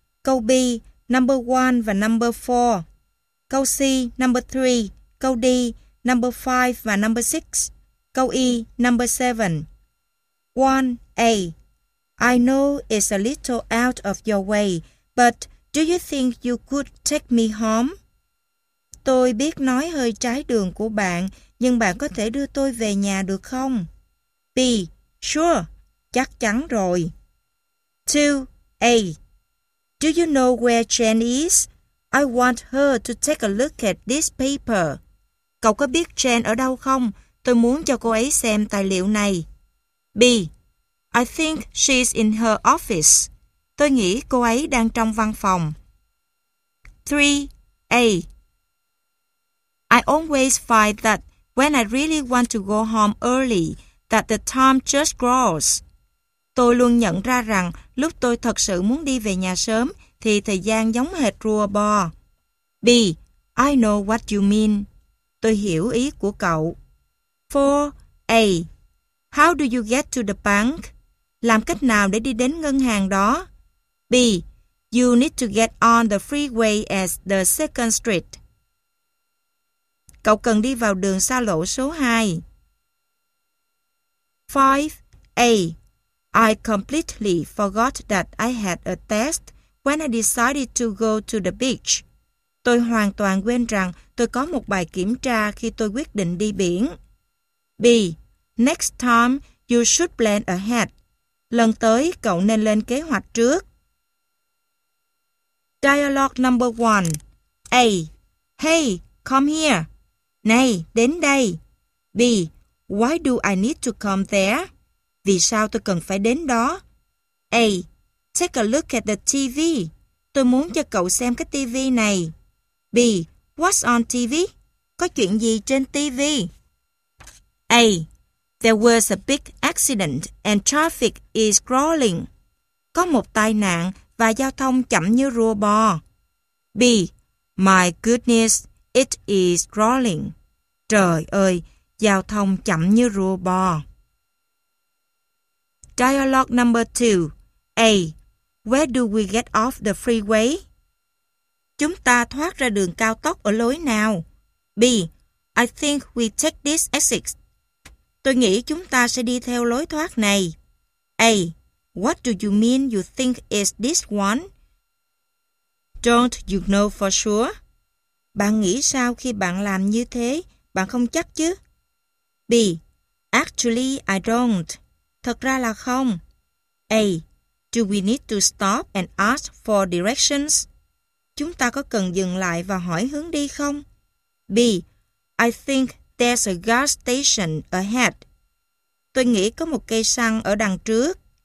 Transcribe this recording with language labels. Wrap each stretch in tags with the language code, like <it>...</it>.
<vi>Câu B, number 1 và number 4. Câu C, number 3. Câu D, number 5 và number 6. Câu E, number 7.</vi> <en>1. A. I know it's a little out of your way, but Do you think you could take me home?</en> <vi>Tôi biết nói hơi trái đường của bạn, nhưng bạn có thể đưa tôi về nhà được không? B.</vi> <en>Sure.</en> <vi>Chắc chắn rồi.</vi> <en>2. A. Do you know where Jen is? I want her to take a look at this paper.</en> <vi>Cậu có biết Jen ở đâu không? Tôi muốn cho cô ấy xem tài liệu này.</vi> <en>B. I think she's in her office.</en> <vi>Tôi nghĩ cô ấy đang trong văn phòng.</vi> <en>3. A. I always find that when I really want to go home early, that the time just grows.</en> <vi>Tôi luôn nhận ra rằng lúc tôi thật sự muốn đi về nhà sớm thì thời gian giống hệt rùa bò.</vi> <en>B. I know what you mean.</en> <vi>Tôi hiểu ý của cậu.</vi> <en>4. A. How do you get to the bank?</en> <vi>Làm cách nào để đi đến ngân hàng đó?</vi> <en>B. You need to get on the freeway at the second street.</en> <vi>Cậu cần đi vào đường xa lộ số 2.</vi> <en>5. A. I completely forgot that I had a test when I decided to go to the beach.</en> <vi>Tôi hoàn toàn quên rằng tôi có một bài kiểm tra khi tôi quyết định đi biển.</vi> <en>B. Next time, you should plan ahead.</en> <vi>Lần tới, cậu nên lên kế hoạch trước.</vi> <en>Dialogue number 1. A. Hey, come here.</en> <vi>Này, đến đây.</vi> <en>B. Why do I need to come there?</en> <vi>Vì sao tôi cần phải đến đó?</vi> <en>A. Take a look at the TV.</en> <vi>Tôi muốn cho cậu xem cái TV này.</vi> <en>B. What's on TV?</en> <vi>Có chuyện gì trên TV?</vi> <en>A. There was a big accident and traffic is crawling.</en> <vi>Có một tai nạn và giao thông chậm như rùa bò.</vi> <en>B. My goodness, it is crawling.</en> <vi>Trời ơi, giao thông chậm như rùa bò.</vi> <en>Dialogue number 2. A. Where do we get off the freeway?</en> <vi>Chúng ta thoát ra đường cao tốc ở lối nào?</vi> <en>B. I think we take this exit.</en> <vi>Tôi nghĩ chúng ta sẽ đi theo lối thoát này.</vi> <en>A. What do you mean you think is this one? Don't you know for sure?</en> <vi>Bạn nghĩ sao khi bạn làm như thế? Bạn không chắc chứ?</vi> <en>B. Actually, I don't.</en> <vi>Thật ra là không.</vi> <en>A. Do we need to stop and ask for directions?</en> <vi>Chúng ta có cần dừng lại và hỏi hướng đi không?</vi> <en>B. I think there's a gas station ahead.</en> <vi>Tôi nghĩ có một cây xăng ở đằng trước.</vi>